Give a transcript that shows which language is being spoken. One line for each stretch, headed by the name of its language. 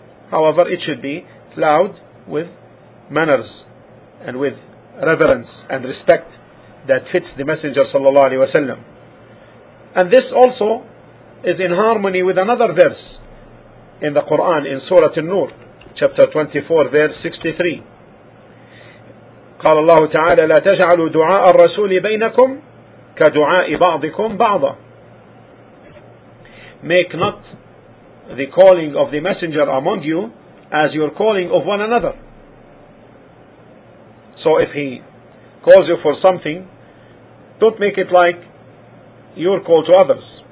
English: However, it should be loud with manners and with reverence and respect that fits the Messenger sallallahu alaihi wasallam. And this also is in harmony with another verse in the Quran, in Surah An-Nur, chapter 24, verse 63.
Arabic: قال الله تعالى لا تجعلوا دعاء الرسول بينكم كدعاء بعضكم بعضا.
English: Make not the calling of the messenger among you as your calling of one another. So if he calls you for something, don't make it like your call to others.